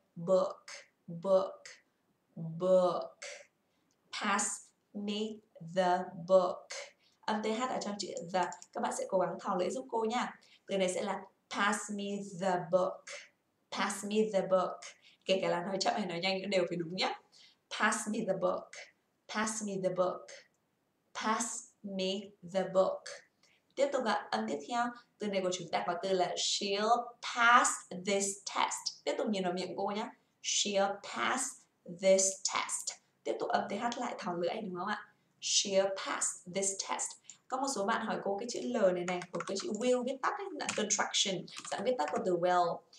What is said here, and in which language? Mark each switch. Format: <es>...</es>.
<en>Book, book, book.</en> <vi>Pass me the book. Âm th ở trong chữ the. Các bạn sẽ cố gắng thò lưỡi giúp cô nha. Từ này sẽ là pass me the book. Pass me the book. Kể cả là nói chậm hay nói nhanh cũng đều phải đúng nhé.</vi> <en>Pass me the book. Pass me the book. Pass me the book.</en> <vi>Tiếp tục ạ, âm tiếp theo. Từ này của chúng ta có từ là she'll pass this test. Tiếp tục nhìn vào miệng cô nhé. She'll pass this test. Tiếp tục âm TH lại thò lưỡi đúng không ạ? She'll pass this test. Có một số bạn hỏi cô cái chữ L này này, của cái chữ will viết tắt ấy, là contraction, dạng viết tắt của từ will.</vi>